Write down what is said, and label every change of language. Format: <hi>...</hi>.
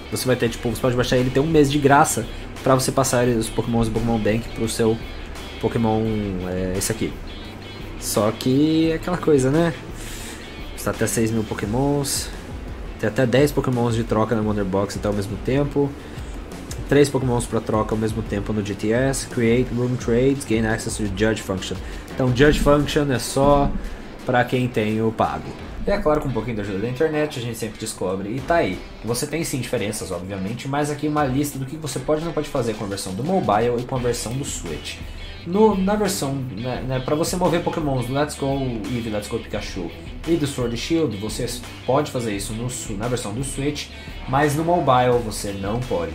<pt>Você vai ter, tipo, você pode baixar ele e ter um mês de graça pra você passar os Pokémon do Pokémon Bank pro seu Pokémon, esse aqui. Só que é aquela coisa, né? Está até 6 mil Pokémons. Tem até 10 Pokémons de troca na Wonder Box até ao mesmo tempo. 3 Pokémons pra troca ao mesmo tempo no GTS.</pt> <en>Create Room Trades, gain access to Judge Function.</en> <pt>Então, Judge Function é só pra quem tem o pago. E é claro, com um pouquinho da ajuda da internet, a gente sempre descobre e tá aí. Você tem sim diferenças, obviamente, mas aqui uma lista do que você pode e não pode fazer com a versão do mobile e com a versão do Switch. No, na versão, né, pra você mover pokémons do Let's Go Eevee, Let's Go Pikachu e do Sword Shield, você pode fazer isso no, na versão do Switch, mas no mobile você não pode.</pt>